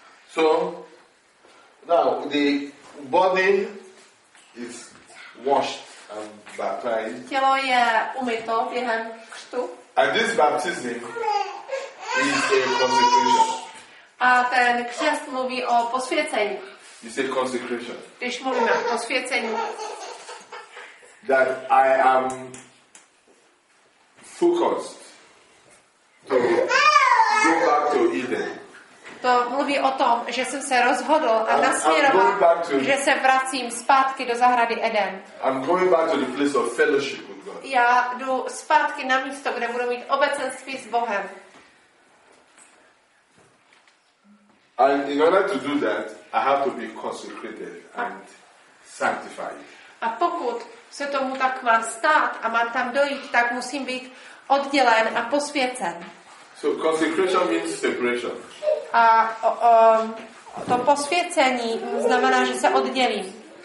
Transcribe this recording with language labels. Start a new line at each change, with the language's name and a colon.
English: So now the body is washed and baptized.
Czech: Tělo je umyto během křtu.
English: And this baptism is a consecration.
Czech: A ten křest mluví o posvěcení.
English: It's a consecration.
Czech: Když mluvíme o posvěcení.
English: That I am focused to go back to Eden.
Czech: To mluví o tom, že jsem se rozhodl a nasměroval, že se vracím zpátky do zahrady Eden.
English: I'm going back to the place of fellowship with God.
Czech: Já jdu zpátky na místo, kde budu mít obecenství s Bohem.
English: And in order to do that, I have to be consecrated and sanctified.
Czech: A pokud se tomu tak má stát a mám tam dojít, tak musím být oddělen a posvěcen.
English: So consecration means separation.
Czech: A to posvěcení znamená, že se oddělím.